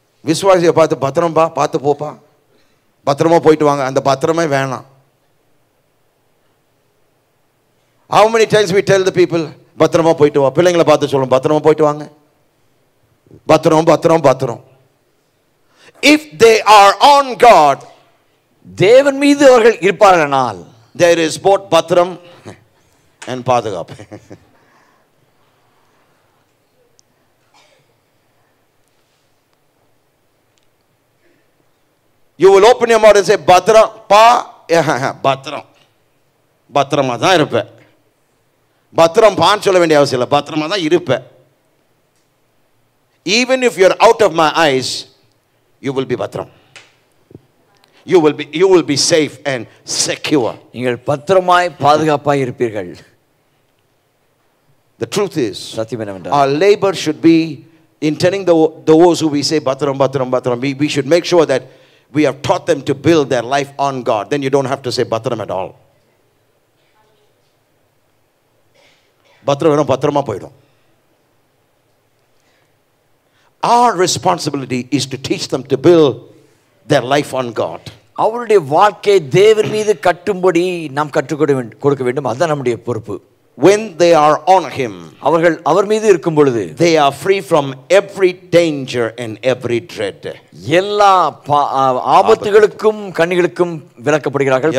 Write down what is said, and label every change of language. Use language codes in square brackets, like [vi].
[ta] விசுவாசிய பார்த்து பத்திரம் பார்த்து போப்பா, பத்திரமா போயிட்டு வாங்க. அந்த பத்திரமே வேணாம். [en] How many times we tell the people, [ta] பத்திரமா போயிட்டு வா. பிள்ளைங்களை பார்த்து சொல்லணும், பத்திரமா போயிட்டு வாங்க. பத்திரம் பத்திரம் பத்திரம். [en] If they are on God, [ta] தேவன் மீது அவர்கள் இருப்பார்கள், [en] there is both pathiram and pathukappu. You will open your mouth and say, [ta] பத்திரம் பா, பத்திரம் பத்திரமா தான் இருப்பேன். பத்திரம் பான் சொல்ல வேண்டிய அவசியம் இல்லை, பத்திரமா தான் இருப்பேன். [en] Even if you are out of my eyes, you will be bathram. You will be safe and secure. [ta] நீங்கள் பத்திரமாய் பாதுகாப்பாய் இருப்பீர்கள். [en] The truth is, [ta] சத்தியம் [en] என்னவென்றால், our labor should be in telling the those who we say bathram bathram bathram, we should make sure that we have taught them to build their life on God. Then you don't have to say bathram at all. [ta] பத்திரம் வேணும், பத்திரமா போயிடும். [en] Our responsibility is to teach them to build their life on God. [ta] அவருடைய வாழ்க்கை தேவர் மீது கட்டும்படி நாம் கற்றுக்கொடுக்க வேண்டும். அதுதான் நம்முடைய பொறுப்பு. [en] When they are on him, [ta] அவர்கள் அவர் மீது இருக்கும் பொழுது, [en] they are free from every danger and every dread. [ta] எல்லா ஆபத்துகளுக்கும் கண்ணிகளுக்கும் விலக்கப்படுகிறார்கள்.